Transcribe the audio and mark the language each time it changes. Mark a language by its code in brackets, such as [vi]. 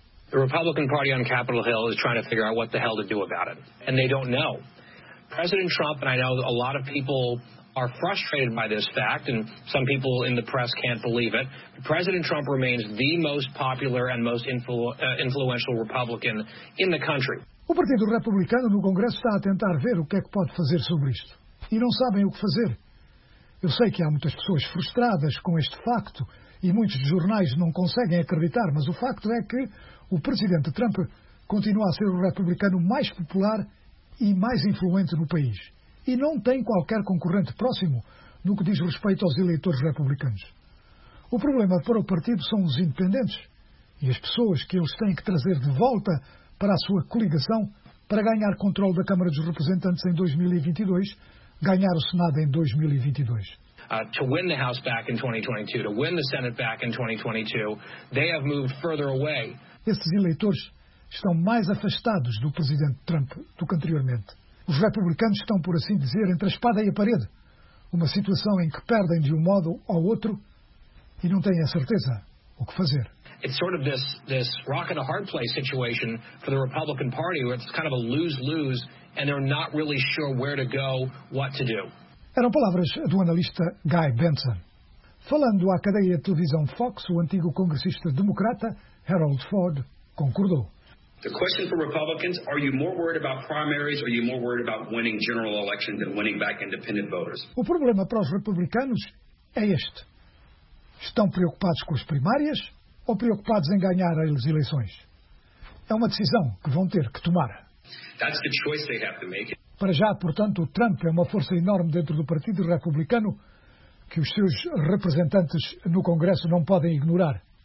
[en] The Republican Party on Capitol Hill is trying to figure out what the hell to do about it, and they don't know. President Trump, and I know a lot of people are frustrated by this fact, and some people in the press can't believe it. President Trump remains the most popular and most influential Republican in the country. [pt] O Partido Republicano no Congresso está a tentar ver o que é que pode fazer sobre isto, e não sabem o que fazer. Eu sei que há muitas pessoas frustradas com este facto e muitos jornais não conseguem acreditar, mas o facto é que o presidente Trump continua a ser o republicano mais popular e mais influente no país. E não tem qualquer concorrente próximo no que diz respeito aos eleitores republicanos. O problema para o partido são os independentes e as pessoas que eles têm que trazer de volta para a sua coligação para ganhar controle da Câmara dos Representantes em 2022, ganhar o Senado em 2022. [en] to win the House back in 2022, to win the Senate back in 2022, they have moved further away. [pt] Esses eleitores estão mais afastados do presidente Trump do que anteriormente. Os republicanos estão, por assim dizer, entre a espada e a parede, uma situação em que perdem de um modo ou outro e não têm a certeza o que fazer. [en] It's sort of this rock and a hard place situation for the Republican Party, where it's kind of a lose-lose, and they're not really sure where to go, what to do. [pt] Eram palavras do analista Guy Benson. Falando à cadeia de televisão Fox, o antigo congressista democrata Harold Ford concordou. [en] The question for Republicans, are you more worried about primaries or are you more worried about winning general elections than winning back independent voters? [pt] O problema para os republicanos é este. Estão preocupados com as primárias ou preocupados em ganhar as eleições? É uma decisão que vão ter que tomar. [en] That's the choice they have to make. [pt] Para já, portanto, o Trump é uma força enorme dentro do Partido Republicano que os seus representantes no Congresso não podem ignorar.